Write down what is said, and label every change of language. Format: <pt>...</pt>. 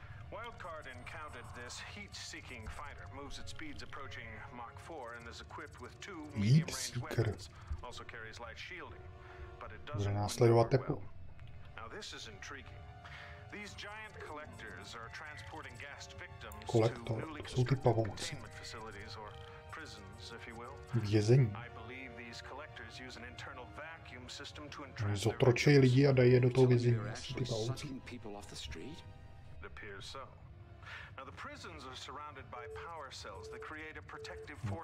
<en>Wildcard encountered this heat-seeking fighter, moves at speeds approaching Mach 4, and is equipped with two medium-range weapons, also carries light shielding, but it doesn't work well. Now, this this is intriguing. These giant collectors are transporting gassed victims collector, to newly constructed containment facilities, or prisons, if you will.</en> <cs>Vězení.</cs> <en>I believe these collectors use an internal vacuum system to</en> <cs>zotročí lidi a dají je do toho vězení. Ty pavouci.</cs> <en>It appears so. Now the prisons are surrounded by power cells that create a protective force.</en>